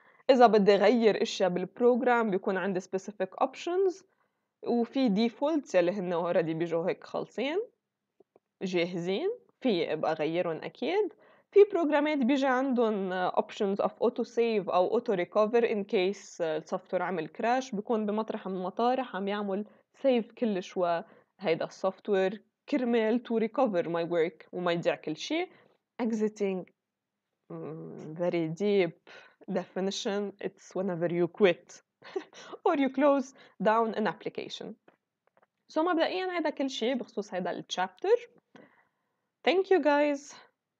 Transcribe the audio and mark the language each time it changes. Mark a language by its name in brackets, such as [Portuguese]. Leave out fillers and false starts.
[Arabic] إذا بدي غير إشياء بالبروغرام بيكون عندي specific options وفي defaults يلي هن already بيجوا هيك خالصين جاهزين، في أبقى غيرهم أكيد. في بروغرامات بيجي عندهم options of auto save أو auto recover in case software عمل crash، بيكون بمطرح من المطارح عم يعمل save كل شوى هيدا software كرمال to recover my work وما يضيع كل شيء. [English] exiting very deep definition, it's whenever you quit or you close down an application. [Arabic] So مبدئياً هذا كل شيء بخصوص هذا الchapter. Thank you guys.